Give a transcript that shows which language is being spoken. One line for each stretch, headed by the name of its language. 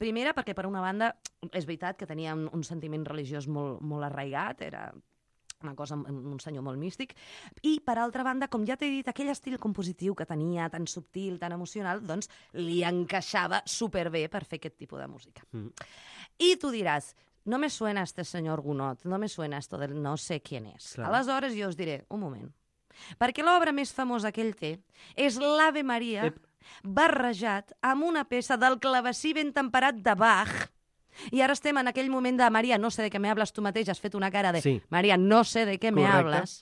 Catalan: Primera, perquè per una banda és veritat que tenia un sentiment religiós molt, molt arraigat, era una cosa, un senyor molt místic. I per altra banda, com ja t'he dit, aquell estil compositiu que tenia, tan subtil, tan emocional, doncs li encaixava superbé per fer aquest tipus de música. Mm-hmm. I tu diràs,
Spanish: no me suena este señor Gounod, no me suena esto del no sé quién es.
Catalan: Clar. Aleshores jo us diré, un moment, perquè l'obra més famosa que ell té és l'Ave Maria barrejat amb una peça del clavecí ben temperat de Bach. I ara estem en aquell moment de Maria, no sé de què
Spanish: me hables
Catalan: tu mateix, has fet una cara de sí. Maria, no sé de què Correcte.
Spanish: Me hables.